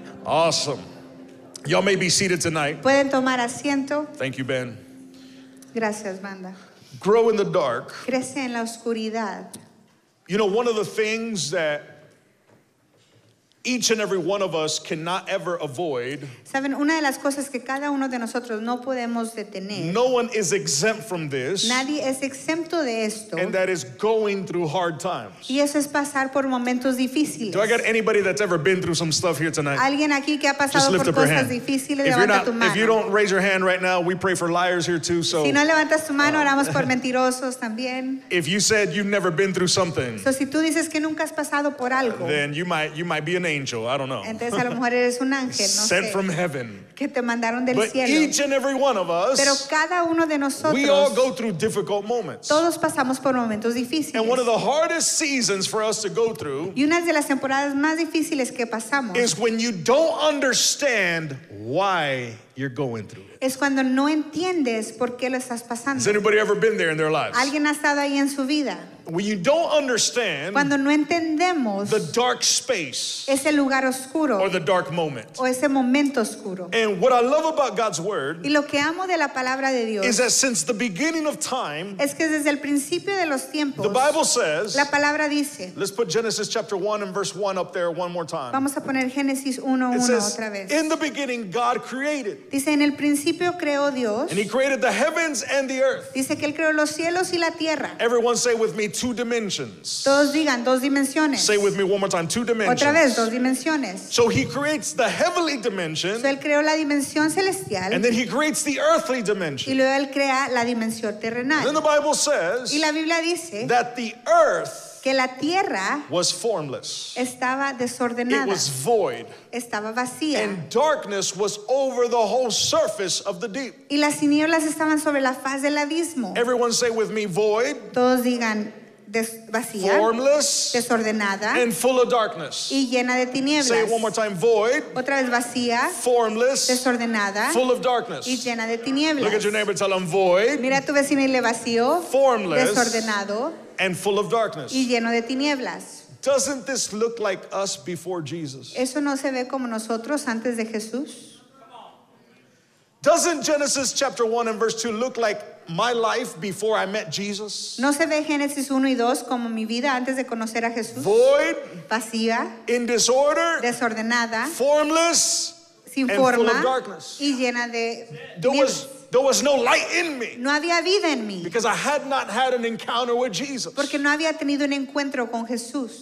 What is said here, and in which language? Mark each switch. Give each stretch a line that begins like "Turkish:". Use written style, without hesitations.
English: Awesome. Y'all may be seated tonight.
Spanish: Pueden tomar asiento.
English: Thank you, Ben.
Spanish: Gracias, banda.
English: Grow in the dark.
Spanish: Crece en la oscuridad.
English: You know, one of the things that each and every one of us cannot ever avoid.
Spanish: Saben, una de las cosas que cada uno de nosotros no podemos detener.
English: No one is exempt from this.
Spanish: Nadie es exento de esto.
English: And that is going through hard times.
Spanish: Y eso es pasar por momentos difíciles.
English: Do I got anybody that's ever been through some stuff here tonight?
Spanish: Alguien aquí que ha pasado por cosas difíciles, levanta tu mano.
English: Just lift up your hand. If you don't raise your hand right now, we pray for liars here too. So.
Spanish: Si no levantas tu mano, oramos por mentirosos también.
English: If you said you've never been through something.
Spanish: So si tú dices que nunca has pasado por algo.
English: Then you might be an angel. Angel, I don't know. Sent from heaven.
Spanish: Que te mandaron del
English: but
Spanish: cielo.
English: Each and every one of us,
Spanish: pero cada uno de nosotros,
English: we all go through difficult moments.
Spanish: Todos pasamos por momentos difíciles.
English: And one of the hardest seasons for us to go through,
Spanish: y una de las temporadas más difíciles que pasamos,
English: is when you don't understand why you're going through it.
Spanish: Es cuando no entiendes por qué lo estás pasando.
English: Has anybody ever been there in their lives?
Spanish: ¿Alguien ha estado ahí en su vida?
English: When you don't understand,
Spanish: cuando no entendemos,
English: the dark space,
Spanish: ese lugar oscuro,
English: or the dark moment,
Spanish: o ese momento oscuro.
English: And what I love about God's word,
Spanish: y lo que amo de la palabra de Dios,
English: is that since the beginning of time,
Spanish: es que desde el principio de los tiempos,
English: the Bible says,
Spanish: la palabra dice,
English: let's put Genesis chapter 1 and verse 1 up there one more time.
Spanish: Vamos a poner Génesis 1:1 otra vez.
English: In the beginning, God created.
Spanish: Dice, en el principio creó Dios.
English: And he created the heavens and the earth.
Spanish: Dice que él creó los cielos y la tierra.
English: Everyone say with me, two dimensions.
Spanish: Todos digan, dos dimensiones.
English: Say with me one more time, two dimensions.
Spanish: Otra vez, dos dimensiones.
English: So he creates the heavenly dimension.
Spanish: So él creó la dimensión celestial.
English: And then he creates the earthly dimension.
Spanish: Y luego él crea la dimensión terrenal.
English: And then the Bible says,
Spanish: y la Biblia dice,
English: that the earth,
Spanish: que la tierra,
English: was formless.
Spanish: Estaba desordenada.
English: It was void.
Spanish: Estaba vacía.
English: And darkness was over the whole surface of the deep.
Spanish: Y las tinieblas estaban sobre la faz del abismo.
English: Everyone say with me, void.
Spanish: Todos digan, vacía,
English: formless,
Spanish: desordenada,
English: and full of darkness.
Spanish: Y llena de tinieblas.
English: Say it one more time, void.
Spanish: Otra vez, vacía,
English: formless,
Spanish: desordenada,
English: full of darkness.
Spanish: Y llena de tinieblas.
English: Look at your neighbor, tell him, void.
Spanish: Mira a tu vecino y le vacío,
English: formless,
Spanish: desordenado,
English: and full of darkness.
Spanish: Y lleno de tinieblas.
English: Doesn't this look like us before Jesus?
Spanish: ¿Eso no se ve como nosotros antes de Jesús?
English: Doesn't Genesis chapter 1 and verse 2 look like my life before I met Jesus?
Spanish: ¿No se ve Génesis 1 y 2 como mi vida antes de conocer a Jesús?
English: Void,
Spanish: vacía,
English: in disorder,
Spanish: desordenada,
English: formless,
Spanish: sin forma,
English: and full of darkness.
Spanish: Y llena de tinieblas.
English: There was no light in me.
Spanish: No había vida en mí.
English: Because I had not had an encounter with Jesus.
Spanish: Porque no había tenido un encuentro con Jesús.